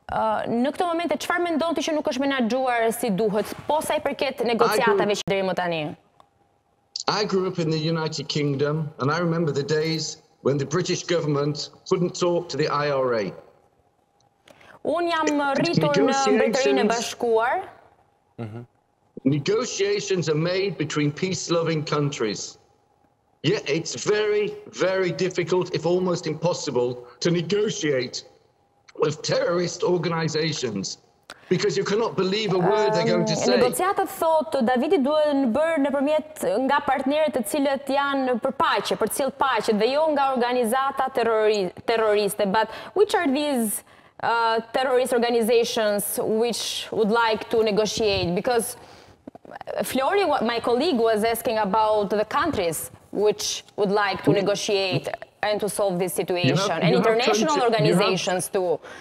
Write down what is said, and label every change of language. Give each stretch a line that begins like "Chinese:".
Albanian: Në këtë moment çfarë mendon ti që nuk është menaxhuar si duhet posa i përket negociatave që deri më tani?
English: I grew up in the United Kingdom and I remember the days when the British government couldn't talk to the IRA.
Albanian: Un jam rritur në Mbretërinë e Bashkuar.
English: Negotiations are made between peace-loving countries. Yet it's very, very difficult, if almost impossible, to negotiate with terrorist organizations. Because you cannot believe a word they're going to say.
Albanian: Negociatat thotë, Davidi duhet në bërë në përmjet nga partnerët të cilët janë për paqe, për cilë paqe, dhe jo nga organizata terroriste.
English: But which are these terrorist organizations which would like to negotiate? Because Flori, my colleague, was asking about the countries which would like to negotiate and to solve this situation, and international organizations too.